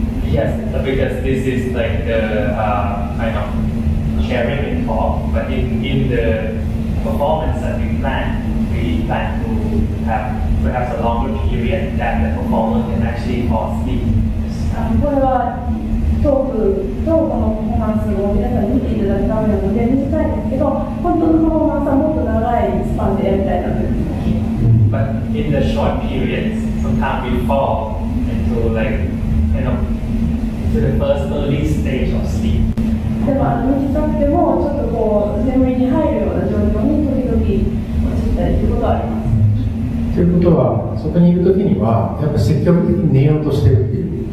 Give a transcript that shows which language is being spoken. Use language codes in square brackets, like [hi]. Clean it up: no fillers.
[en] Yes, because this is like the kind of sharing and talk, but in the performance that we plan to have perhaps a longer period that the performer can actually fall asleep. [ja] これはトークのパフォーマンスを皆さん見ていただくためのゲームしたいんですけど、本当のパフォーマンスはもっと長いスパンでやりたいなと思います。 [en] But in the short periods, sometimes we fall into like, you know,to the first early stage of sleep. [ja] でも短くてもちょっとこう眠りに入るような状況に時々ことはあります。ということはそこにいるときにはやっぱ積極的に寝ようとしてるっていう。